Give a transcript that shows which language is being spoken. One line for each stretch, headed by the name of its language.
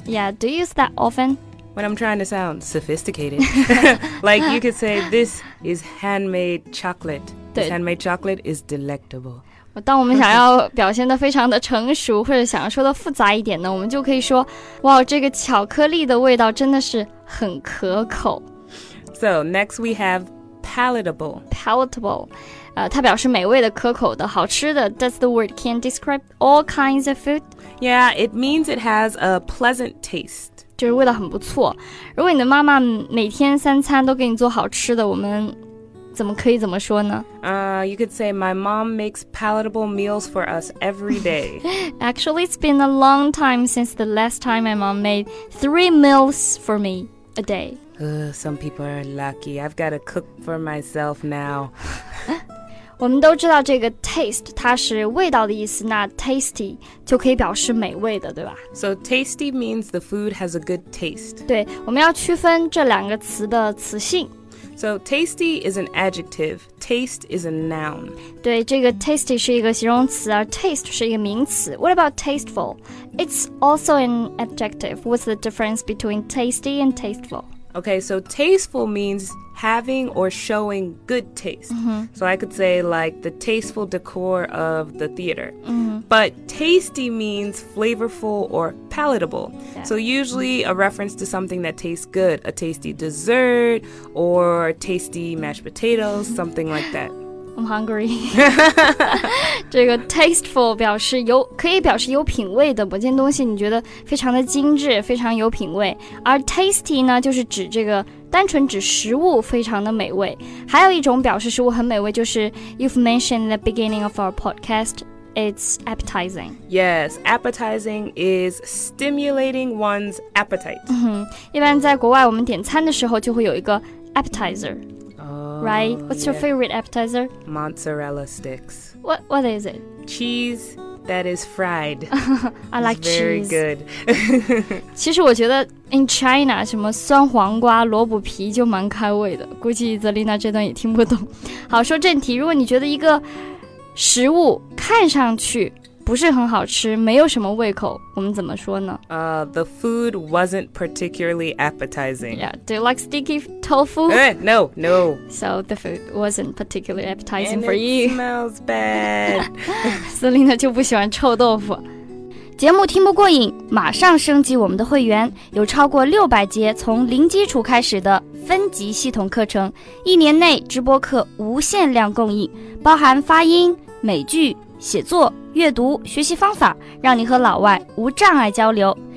English: Yeah, do you use that often? When I'm trying to sound sophisticated Like you could say, this is handmade chocolate This handmade chocolate is delectable
Chinese: 当我们想要表现得非常的成熟或者想要说的复杂一点呢我们就可以说哇这个巧克力的味道真的是很可口
English: So next we have palatable
Chinese: Palatable、它表示美味的可口的好吃的
English: Does the word can describe all kinds of food? Yeah, it means it has a pleasant taste
Chinese: 就是味道很不错如果你的妈妈每天三餐都给你做好吃的我们怎么可以怎么说呢
English: You could say my mom makes palatable meals for us every day. Actually, it's been a long time since the last time my mom made 3 meals for me a day. Some people are lucky. I've got to cook for myself now.
Chinese: 我们都知道这个 taste 它是味道的意思那 tasty 就可以表示美味的对吧
English: So tasty means the food has a good taste.
Chinese: 对我们要区分这两个词的词性
English: So tasty is an adjective, taste is a noun.
Chinese: 对,这个 tasty 是一个形容词,而 taste 是一个名词。
English: What about tasteful? It's also an adjective. What's the difference between tasty and tasteful? Okay, so tasteful means having or showing good taste. So I could say like the tasteful decor of the theater. But tasty means flavorful or palatable. Yeah. So usually a reference to something that tastes good, a tasty dessert or tasty mashed potatoes, something like that. I'm hungry.
Chinese: 这个 tasteful 表示有可以表示有品味的，某件东西你觉得非常的精致，非常有品味。而 tasty 呢，就是指这个单纯指食物非常的美味。还有一种表示食物很美味，就是
English: you've mentioned in the beginning of our podcast, it's appetizing. Yes, appetizing is stimulating one's appetite.
Chinese: 嗯哼，一般在国外我们点餐的时候就会有一个 appetizer.
English: Right? What's your favorite appetizer? Mozzarella sticks. What is it? Cheese that is fried. I like cheese. Very good.
Chinese: 其实我觉得
English: in China,
Chinese: 什么酸黄瓜、萝卜皮就蛮开胃的。估计泽丽娜这段也听不懂。好，说正题，如果你觉得一个食物看上去不是很好吃，没有什么胃口，我们怎么说呢？
English: The food wasn't particularly appetizing. Yeah, do you like sticky tofu? No, no. So the food wasn't particularly appetizing and for you. It smells bad.
Chinese: Selina 就不喜欢臭豆腐。节目听不过瘾，马上升级我们的会员，有超过600节从零基础开始的分级系统课程，一年内直播课无限量供应，包含发音、美剧、写作、阅读、学习方法，让你和老外无障碍交流。